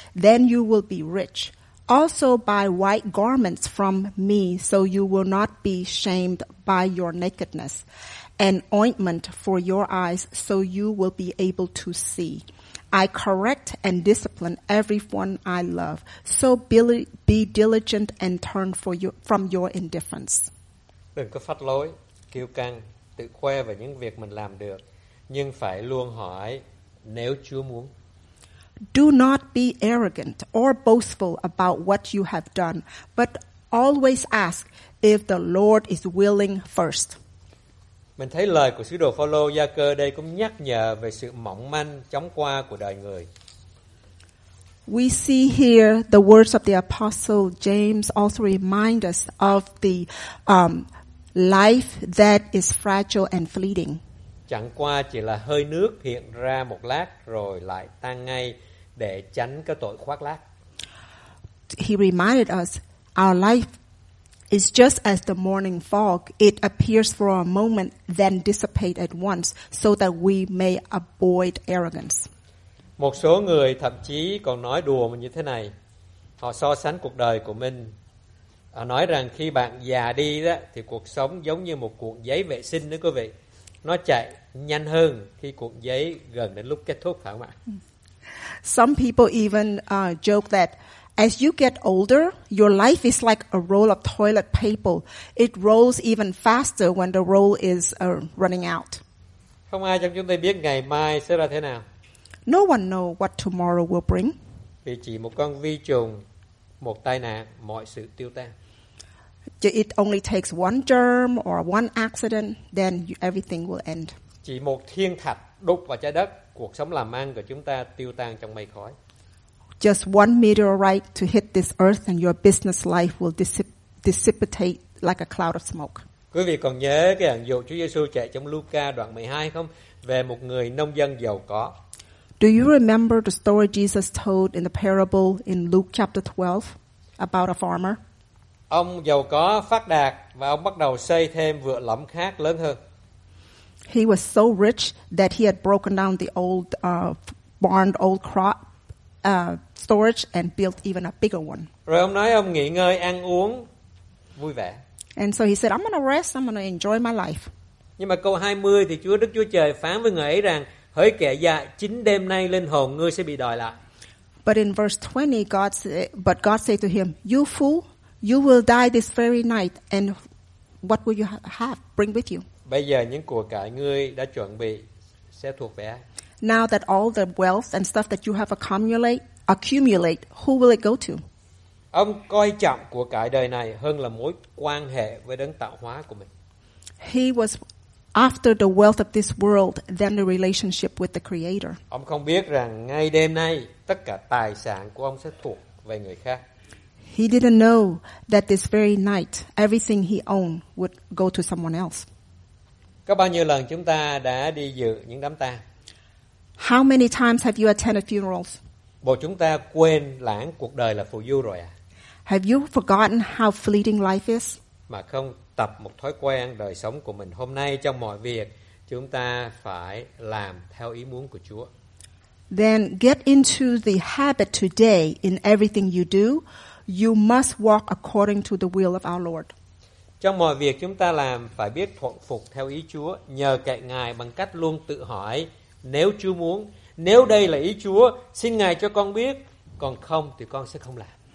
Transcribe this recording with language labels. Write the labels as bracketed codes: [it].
[en] Then you will be rich. Also buy white garments from me so you will not be shamed by your nakedness, and ointment for your eyes so you will be able to see. I correct and discipline everyone I love. So be diligent and turn from your indifference. [vi] Đừng có phát lối, kiêu căng, tự khoe về những việc mình làm được, nhưng phải luôn hỏi nếu Chúa muốn. [en] Do not be arrogant or boastful about what you have done, but always ask if the Lord is willing first. [vi] Mình thấy lời của sứ đồ Phaolô Gia Cơ đây cũng nhắc nhở về sự mỏng manh chóng qua của đời người. [en] We see here the words of the apostle James also remind us of the life that is fragile and fleeting. [vi] Chẳng qua chỉ là hơi nước hiện ra một lát rồi lại tan ngay để tránh cái tội khoác lác. [en] He reminded us our life is just as the morning fog. It appears for a moment, then dissipate at once, so that we may avoid arrogance. [vi] Một số người thậm chí còn nói đùa mình như thế này. Họ so sánh cuộc đời của mình. Họ nói rằng khi bạn già đi đó, thì cuộc sống giống như một cuộn giấy vệ sinh đó quý vị. Nó chạy nhanh hơn khi cuộn giấy gần đến lúc kết thúc phải không ạ? [en] Some people even joke that as you get older, your life is like a roll of toilet paper. It rolls even faster when the roll is running out. [vi] Không ai trong chúng ta biết ngày mai sẽ là thế nào. [en] No one knows what tomorrow will bring. [vi] Vì chỉ một con vi trùng, một tai nạn, mọi sự tiêu tan. [en] It only takes one germ or one accident, then everything will end. [vi] Chỉ một thiên thạch đục vào trái đất, cuộc sống làm ăn của chúng ta tiêu tan trong mây khói. [en] Just one meteorite to hit this earth and your business life will dissipate like a cloud of smoke. [vi] Quý vị còn nhớ cái ẩn dụ Chúa Giêsu chạy trong Luca đoạn 12 không? Về một người nông dân giàu có. [en] Do you remember the story Jesus told in the parable in Luke chapter 12 about a farmer? [vi] Ông giàu có phát đạt và ông bắt đầu xây thêm vựa lẫm khác lớn hơn. [en] He was so rich that he had broken down the old barn, old crop storage and built even a bigger one. [vi] Rồi ông nói ông nghỉ ngơi, ăn uống, vui vẻ. [en] And so he said, I'm going to rest, I'm going to enjoy my life. [vi] Nhưng mà câu 20 thì Chúa Đức Chúa Trời phán với người ấy rằng, hỡi kẻ dại, chính đêm nay linh hồn ngươi sẽ bị đòi lại. [en] But in verse 20, God said to him, you fool, you will die this very night, and what will you have, bring with you? [vi] Bây giờ những của cải ngươi đã chuẩn bị sẽ thuộc về ai? [en] Now that all the wealth and stuff that you have accumulate, who will it go to? [vi] Ông coi trọng của cải đời này hơn là mối quan hệ với đấng tạo hóa của mình. [en] He was after the wealth of this world than the relationship with the Creator. [vi] Ông không biết rằng ngay đêm nay tất cả tài sản của ông sẽ thuộc về người khác. [en] He didn't know that this very night everything he owned would go to someone else. [vi] Có bao nhiêu lần chúng ta đã đi dự những đám tang? [en] How many times have you attended funerals? [vi] Bộ chúng ta quên lãng cuộc đời là phù du rồi à? [en] Have you forgotten how fleeting life is? [vi] Mà không tập một thói quen đời sống của mình hôm nay trong mọi việc chúng ta phải làm theo ý muốn của Chúa. [en] Then get into the habit today in everything you do, you must walk according to the will of our Lord. [vi] Trong mọi việc chúng ta làm phải biết thuận phục theo ý Chúa, nhờ cậy Ngài bằng cách luôn tự hỏi nếu Chúa muốn, nếu đây là ý Chúa, xin Ngài cho con biết, còn không thì con sẽ không làm.